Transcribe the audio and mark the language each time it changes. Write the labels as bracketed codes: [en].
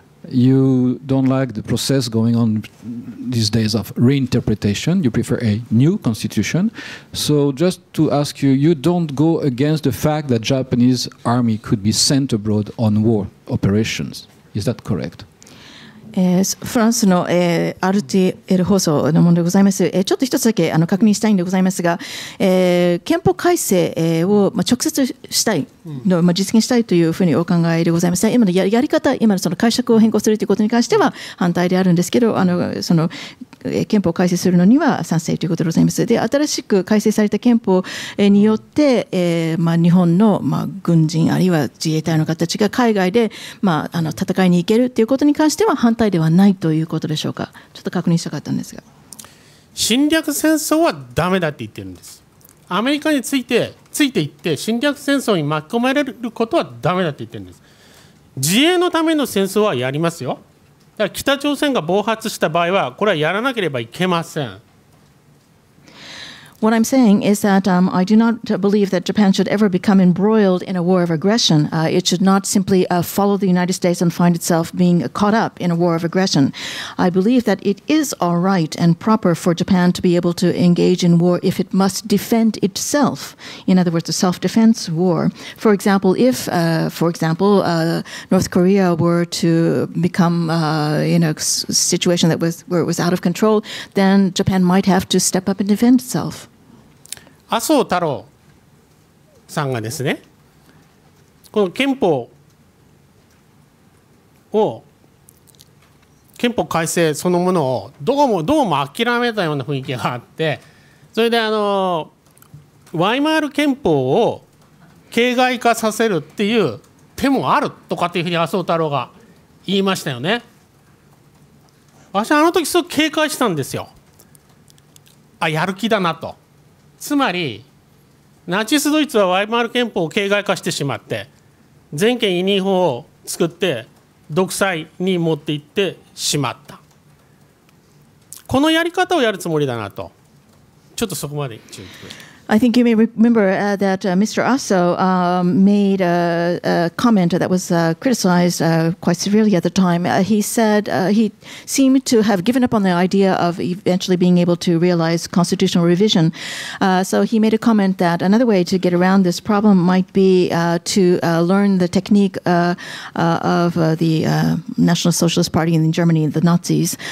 [en] You don't like the process going on these days of reinterpretation. You prefer a new constitution. So just to ask you, you don't go against the fact that Japanese army could be sent abroad on war operations. Is that correct? [ja] フランスの RTL 放送のものでございます。ちょっと一つだけ確認したいんでございますが、憲法改正を直接したいの、実現したいというふうにお考えでございます。今のやり方、今のその解釈を変更するということに関しては反対であるんですけど、その憲法を改正するのには賛成ということでございます。で、新しく改正された憲法によって、日本の、軍人あるいは自衛隊の方たちが海外で、戦いに行けるということに関しては反対ではないということでしょうか。ちょっと確認したかったんですが、侵略戦争はダメだって言ってるんです。アメリカについてついていって侵略戦争に巻き込まれることはダメだって言ってるんです。自衛のための戦争はやりますよ。だから北朝鮮が暴発した場合はこれはやらなければいけません。 [en] What I'm saying is that I do not believe that Japan should ever become embroiled in a war of aggression. It should not simply follow the United States and find itself being caught up in a war of aggression. I believe that it is all right and proper for Japan to be able to engage in war if it must defend itself. In other words, a self-defense war. For example, if, North Korea were to become in a situation that was, where it was out of control, then Japan might have to step up and defend itself. [ja] 麻生太郎さんがですね、この憲法を、憲法改正そのものをどうも諦めたような雰囲気があって、それでワイマール憲法を形骸化させるっていう手もあるとかっていうふうに麻生太郎が言いましたよね。私はあの時すごく警戒したんですよ。あ、やる気だなと。つまりナチスドイツはワイマール憲法を形骸化してしまって、全権委任法を作って独裁に持っていってしまった。このやり方をやるつもりだなと。ちょっとそこまで注意してください。 [en] I think you may remember that Mr. Aso made a comment that was criticized quite severely at the time. He said he seemed to have given up on the idea of eventually being able to realize constitutional revision. So he made a comment that another way to get around this problem might be to learn the technique of the National Socialist Party in Germany, the Nazis.